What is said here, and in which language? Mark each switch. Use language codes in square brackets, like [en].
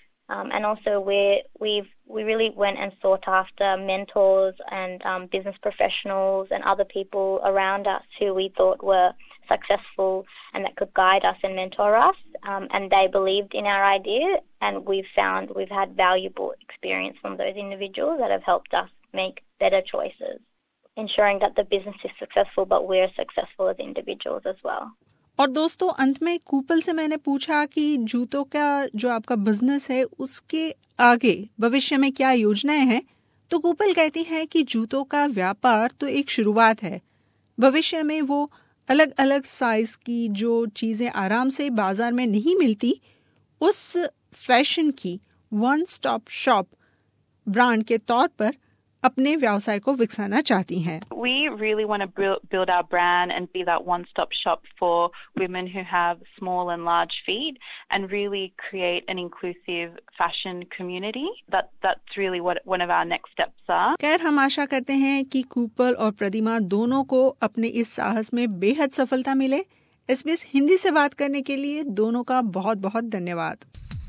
[en] And also we really went and sought after mentors and business professionals and other people around us who we thought were successful and that could guide us and mentor us, and they believed in our idea, and we've found we've had valuable experience from those individuals that have helped us make better choices, ensuring that the business is successful but we're successful as individuals as well. [hi] और दोस्तों अंत में कूपल से मैंने पूछा कि जूतों का जो आपका बिजनेस है उसके आगे भविष्य में क्या योजनाएं हैं, तो कूपल कहती हैं कि जूतों का व्यापार तो एक शुरुआत है, भविष्य में वो अलग अलग साइज की जो चीजें आराम से बाजार में नहीं मिलती उस फैशन की वन स्टॉप शॉप ब्रांड के तौर पर अपने व्यवसाय को विकसाना चाहती हैं। [en] We really want to build our brand and be that one-stop shop for women who have small and large feet, and really create an inclusive fashion community. That's really what one of our next steps are. [hi] खैर हम आशा करते हैं कि कूपल और प्रतिमा दोनों को अपने इस साहस में बेहद सफलता मिले। SBS हिंदी से बात करने के लिए दोनों का बहुत-बहुत धन्यवाद।